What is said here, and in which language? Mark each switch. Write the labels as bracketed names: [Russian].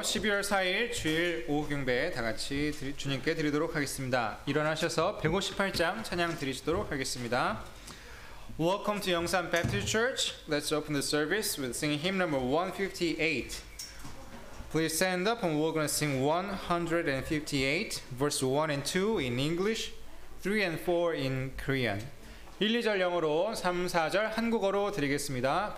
[Korean] 12월 4일 주일 오후 경배 다 같이 주님께 드리도록 하겠습니다. 일어나셔서 158장 찬양 드리시도록 하겠습니다. [English] Welcome to Yongsan Baptist Church. Let's open the service with singing hymn number 158. Please stand up and we're going to sing 158, verse 1 and 2 in English, 3 and 4 in Korean. [Korean] 1, 2절 영어로, 3, 4절 한국어로 드리겠습니다.